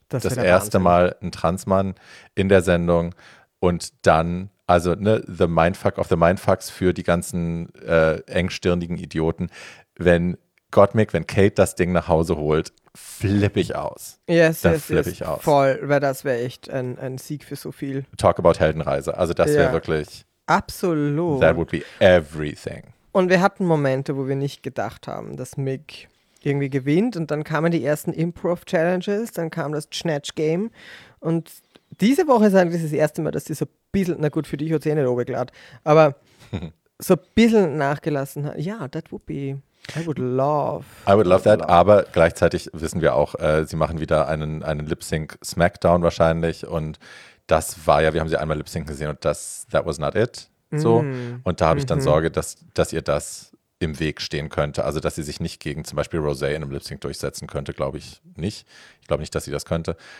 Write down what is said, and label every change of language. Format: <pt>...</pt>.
<de>Das erste Wahnsinn. Mal ein Transmann in der Sendung und dann also, ne,</de> <en>the mindfuck of the mindfucks</en> <de>für die ganzen engstirnigen Idioten. Wenn Gottmik, wenn Kate das Ding nach Hause holt, flippe ich aus.</de> <en>Yes,</en> <de>flippe ich aus. Voll, weil das wäre echt ein Sieg für so viel.</de> <en>Talk about</en> <de>Heldenreise. Also das wäre wirklich absolut.</de> <en>That would be everything.</en> <de>Und wir hatten Momente, wo wir nicht gedacht haben, dass Mick irgendwie gewinnt. Und dann kamen die ersten Improv-Challenges, dann kam das Snatch-Game. Und diese Woche ist eigentlich das erste Mal, dass dieser bisschen, na gut, für dich hat es eh nicht runtergeladen, aber so ein bisschen nachgelassen hat. Ja,</de> <en>that would be, I would love that,</en> <de>aber gleichzeitig wissen wir auch, sie machen wieder einen Lip-Sync-Smackdown wahrscheinlich und das war ja, wir haben sie einmal Lip-Sync gesehen und</de> <en>that was not it. So.</en> <de>Und da habe ich dann Sorge, dass ihr das im Weg stehen könnte. Also, dass sie sich nicht gegen zum Beispiel Rosé in einem Lip-Sync durchsetzen könnte, glaube ich nicht. Ich glaube nicht, dass sie das könnte.</de>